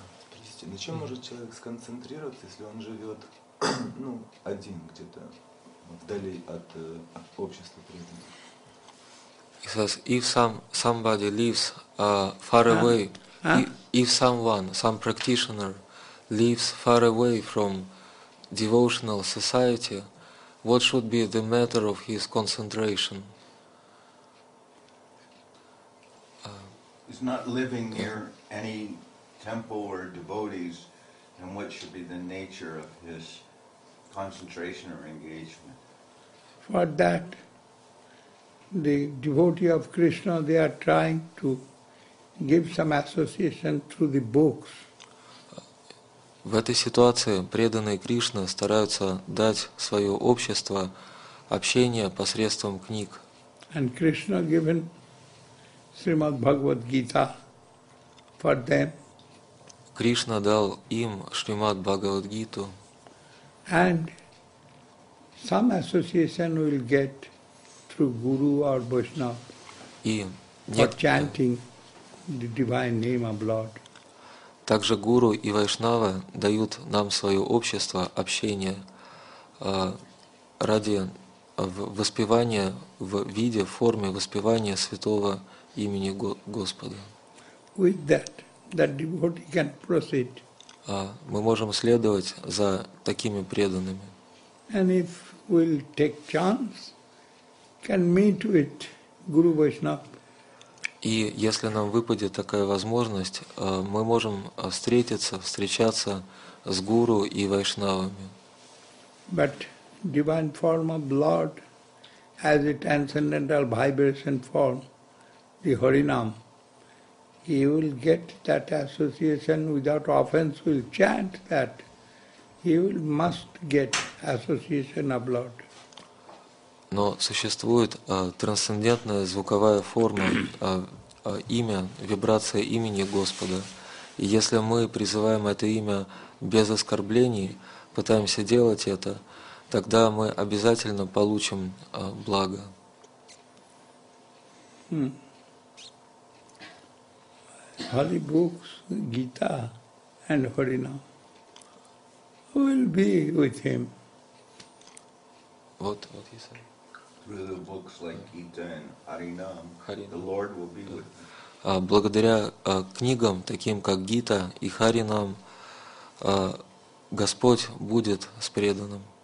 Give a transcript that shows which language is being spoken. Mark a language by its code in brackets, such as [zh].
[ru] Простите, на чем может человек сконцентрироваться, если он живет ну, один где-то вдали от общества преданных? [en] He says, if somebody lives far away, if some practitioner lives far away from devotional society, what should be the matter of his concentration? Is not living near any temple or devotees, and what should be the nature of his concentration or engagement? For that, the devotee of Krishna, they are trying to give some association through the books. [ru] В этой ситуации преданные Кришне стараются дать свое общество общение посредством книг. [en] And Krishna given Srimad Bhagavad Gita for them. [ru] Кришна дал им Шримад Бхагавад Гиту. [en] And some association will get through Guru or Vaishnava for chanting the divine name of Lord. [ru] Также гуру и вайшнавы дают нам свое общество, общение ради воспевания в виде, в форме воспевания святого имени Господа. [en] With that devotee can proceed. [ru] Мы можем следовать за такими преданными. [en] And if we'll take chance, can meet with Guru Vaishnava. [ru] И если нам выпадет такая возможность, мы можем встречаться с гуру и вайшнавами. [en] But divine form of Lord has a transcendental vibration form, the Harinam. He will get that association without offense, will chant that. He will must get association of Lord. [ru] Но существует трансцендентная звуковая форма, имя, вибрация имени Господа. И если мы призываем это имя без оскорблений, пытаемся делать это, тогда мы обязательно получим благо. [en] Holy books, Gita and Harinam will be with him. What he said. Through the books like Gita and Harinam, the Lord will be with him. [ru] Благодаря книгам, таким как Гита и Харинам, Господь будет с преданным.